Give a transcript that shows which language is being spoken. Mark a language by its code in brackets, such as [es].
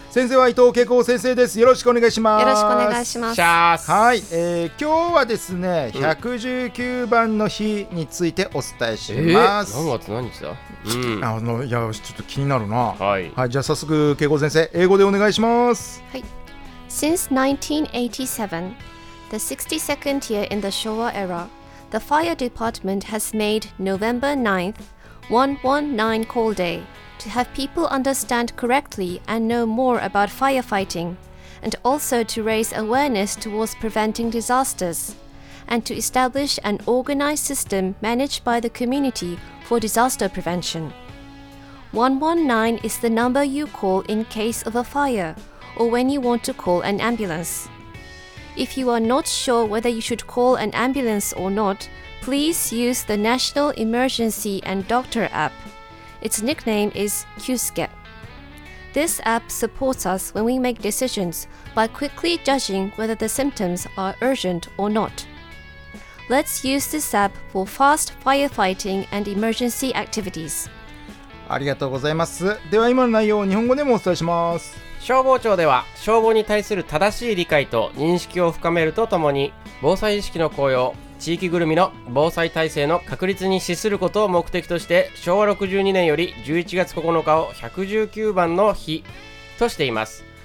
[ja] 先生は伊藤恵光先生です。よろしくお願いします。よろしくお願いします。はい、今日はですね、119番の日についてお伝えします。何月何日だ、いやちょっと気になるな。はい、はい、じゃあ早速恵光先生、英語でお願いします。はい。 [en] Since 1987, the 62nd year in the Showa era, the fire department has made November 9th 119 call day to have people understand correctly and know more about firefighting, and also to raise awareness towards preventing disasters, and to establish an organized system managed by the community for disaster prevention. 119 is the number you call in case of a fire,or when you want to call an ambulance. If you are not sure whether you should call an ambulance or not, please use the National Emergency and Doctor app. Its nickname is Kyusuke. This app supports us when we make decisions by quickly judging whether the symptoms are urgent or not. Let's use this app for fast firefighting and emergency activities. [ja] ありがとうございます。では今の内容を日本語でもお伝えします。消防庁では消防に対する正しい理解と認識を深めるとともに、防災意識の高揚、地域ぐるみの防災体制の確立に資することを目的として、昭和62年より11月9日を119番の日としています。